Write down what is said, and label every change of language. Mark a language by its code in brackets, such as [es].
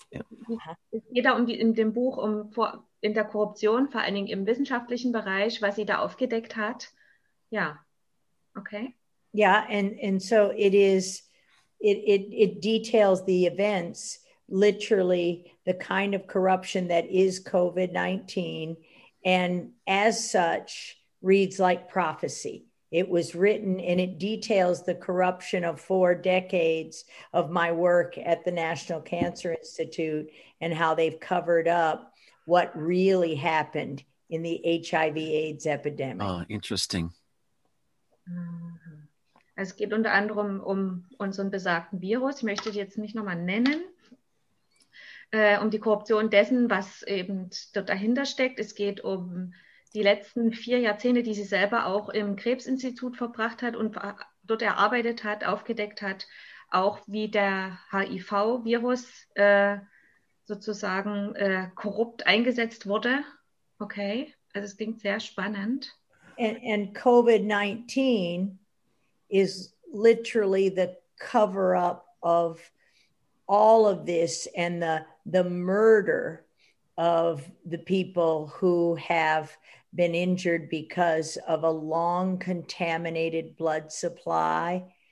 [de] Es geht da in dem Buch in der Korruption, vor allen Dingen im wissenschaftlichen Bereich, was sie da aufgedeckt hat. Ja, okay. [en] Yeah, and so it is, it details the events, literally the kind of corruption that is COVID-19, and as such reads like prophecy. It was written, and it details the corruption of four decades of my work at the National Cancer Institute and how they've covered up what really happened in the HIV/AIDS epidemic. Oh, interesting. [de] Es geht unter anderem um unseren besagten Virus. Ich möchte es jetzt nicht nochmal nennen. Um die Korruption dessen, was eben dort dahinter steckt. Es geht um die letzten 4 Jahrzehnte, die sie selber auch im Krebsinstitut verbracht hat und dort erarbeitet hat, aufgedeckt hat, auch wie der HIV-Virus sozusagen korrupt eingesetzt wurde. Okay, also es klingt sehr spannend. [en] And COVID-19 is literally the cover-up of all of this and the murder of the people who have been injured because of a long contaminated blood supply